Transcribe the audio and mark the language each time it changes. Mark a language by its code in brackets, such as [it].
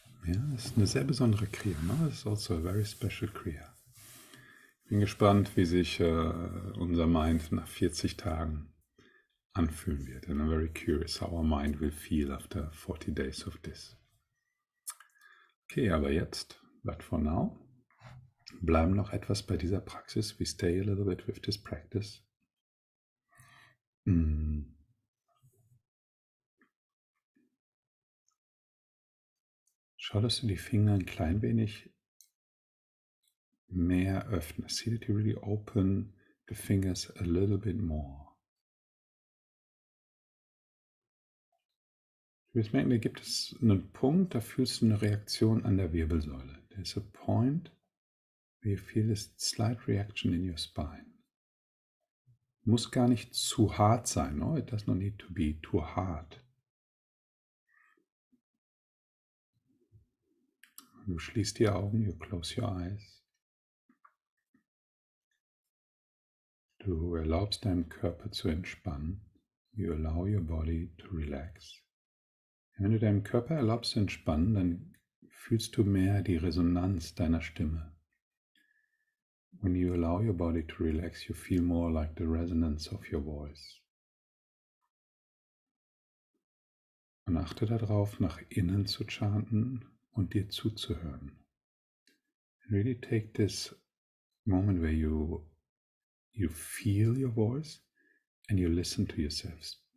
[de] Ja, es ist eine sehr besondere Kriya, ne? Es ist also [en] a very special Kriya. [de] Ich bin gespannt, wie sich unser Mind nach 40 Tagen anfühlen wird. [en] And I'm very curious how our mind will feel after 40 days of this. [de] Okay, aber jetzt, [en] but for now, [de] bleiben noch etwas bei dieser Praxis. [en] We stay a little bit with this practice. [de] Schau, dass du die Finger ein klein wenig mehr öffnest. [en] See that you really open the fingers a little bit more. [de] Du wirst merken, da gibt es einen Punkt, da fühlst du eine Reaktion an der Wirbelsäule. [en] There's a point where you feel a slight reaction in your spine. [de] Muss gar nicht zu hart sein, [en] no? It does not need to be too hard. [de] Du schließt die Augen, [en] you close your eyes. [de] Du erlaubst deinem Körper zu entspannen. [en] You allow your body to relax. [de] Und wenn du deinem Körper erlaubst zu entspannen, dann fühlst du mehr die Resonanz deiner Stimme. [en] When you allow your body to relax, you feel more like the resonance of your voice. [de] Und achte darauf, nach innen zu chanten. Und dir zuzuhören. [en] Really take this moment where you feel your voice and you listen to yourself.